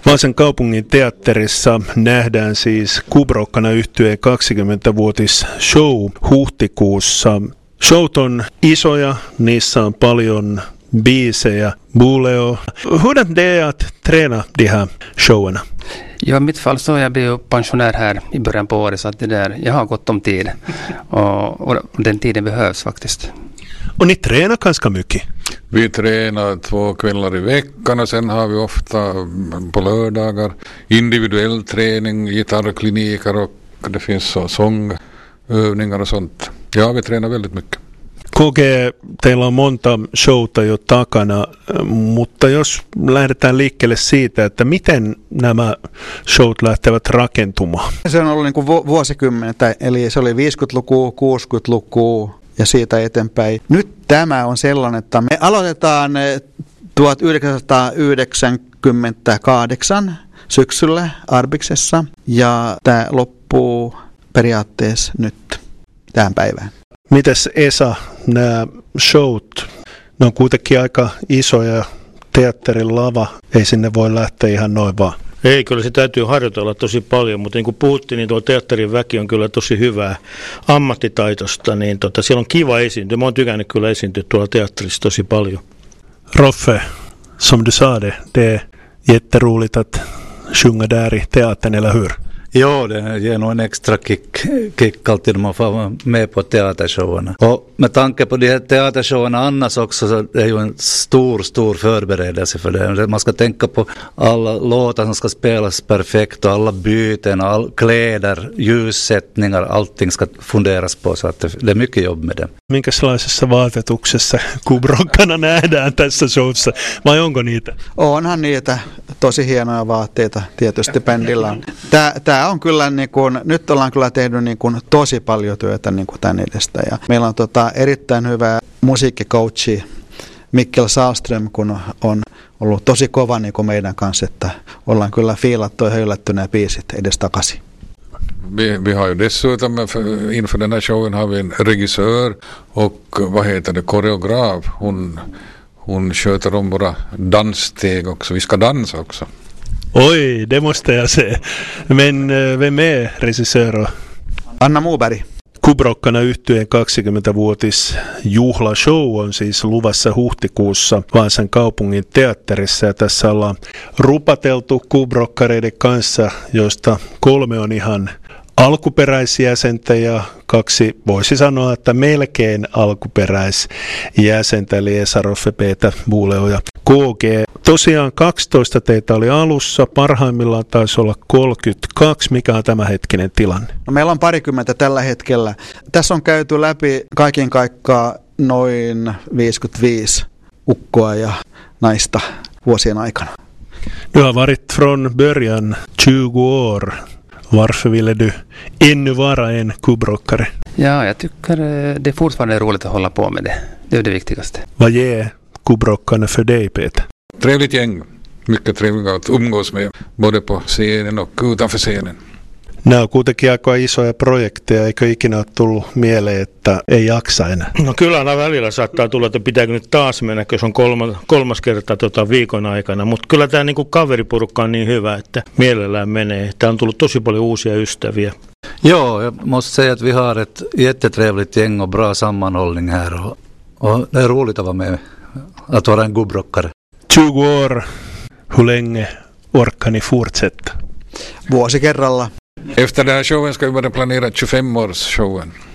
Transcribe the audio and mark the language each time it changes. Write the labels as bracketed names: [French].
[Finnish] Vaasan kaupungin teatterissa nähdään siis Kubrokkana yhtyeen 20-vuotis show huhtikuussa. Showt on isoja, niissä on paljon biisejä, buleo. [Swedish] Hurdant det är att träna de här showerna? Ja, mitt fall så jag blev pensionär här i början på året, så att det där, jag har gott om tid. Och den tiden behövs faktiskt. Och ni tränar ganska mycket? Vi tränar två kvällar i veckan och sen har vi ofta på lördagar individuell träning, gitarrkliniker och det finns så sångövningar och sånt. Ja, vi tränar väldigt mycket. [Finnish] KG, teillä on monta showta jo takana, mutta jos lähdetään liikkeelle siitä, että miten nämä showt lähtevät rakentumaan? Se on ollut niin kuin vuosikymmenettä, eli se oli 50-luku, 60-luku ja siitä eteenpäin. Nyt tämä on sellainen, että me aloitetaan 1998 syksyllä Arbiksessa ja tämä loppuu periaatteessa nyt tähän päivään. Mites Esa, nämä showt, ne on kuitenkin aika isoja, teatterin lava, ei sinne voi lähteä ihan noin vaan. Ei, kyllä se täytyy harjoitella tosi paljon, mutta niin kuin puhuttiin, niin tuo teatterin väki on kyllä tosi hyvää ammattitaitosta, niin siellä on kiva esiintyä. Mä oon tykännyt kyllä esiintyä tuolla teatterissa tosi paljon. [Swedish] Roffe, som du sa det, det är jätteroligt att sjunga där i teatern, eller hur? Ja, det ger nog en extra kick alltid när man får vara med på teatershowerna. Och med tanke på de här teatershowerna annars också, så är det ju en stor förberedelse för det. Man ska tänka på alla låtar som ska spelas perfekt och alla byten, all kläder, ljussättningar, allting ska funderas på, så att det är mycket jobb med det. [Finnish] Minkälaisessa vaatetuksessa Kubrokkana nähdään tässä showssa, vai onko niitä? Onhan niitä, tosi hienoja vaatteita tietysti bändillä on. Tämä on kyllä, niin kun, nyt ollaan kyllä tehnyt niin kun, tosi paljon työtä niin kun tämän edestä. Ja meillä on erittäin hyvä musiikkikoutsi Mikkel Sahlström, kun on ollut tosi kova niin kun meidän kanssa, että ollaan kyllä fiilattu ja yllätty nämä biisit edestakaisin. [Swedish] Vi har ju dessutom inför den här showen har vi en regissör och vad heter det, koreograf. Hon sköter om våra danssteg också. Vi ska dansa också. Oj, det måste jag se. Men vem är regissör? Anna Moberg. [Finnish] Kubrokkana yhtyeen 20-vuotis juhlashow on siis luvassa huhtikuussa Vaasan kaupungin teatterissa. Ja tässä ollaan rupateltu kubrokkareiden kanssa, joista kolme on ihan alkuperäisjäsentä ja kaksi, voisi sanoa, että melkein alkuperäisjäsentä, eli Esa, Roffe, Peetä, Buuleo ja KG. Tosiaan 12 teitä oli alussa, parhaimmillaan taisi olla 32. Mikä on tämänhetkinen tilanne? No, meillä on parikymmentä tällä hetkellä. Tässä on käyty läpi kaiken kaikkea noin 55 ukkoa ja naista vuosien aikana. [Swedish] Du har varit från början 20 år. Varför ville du ännu vara en kubrockare? Ja, jag tycker det är fortfarande roligt att hålla på med det. Det är det viktigaste. Vad ger kubrockarna för dig, Peter? Trevligt gäng. Mycket trevligt att umgås med. Både på scenen och utanför scenen. [Finnish] Nämä on kuitenkin aika isoja projekteja, eikö ikinä ole tullut mieleen, että ei jaksa enää? No kyllä aina välillä saattaa tulla, että pitääkö nyt taas mennä, jos on kolmas kerta viikon aikana. Mutta kyllä tämä niinku kaveriporukka on niin hyvä, että mielellään menee. Tämä on tullut tosi paljon uusia ystäviä. [Swedish] Joo, ja måste säga att vi har ett jättetrevligt gäng och bra sammanhållning här. Och det är roligt att vara med, att vara en gubbrockare. 20 år, hur länge orkar ni fortsätta? [Finnish] Vuosi kerralla. [Swedish] Efter den här showen ska vi börja planera 25-årsshowen.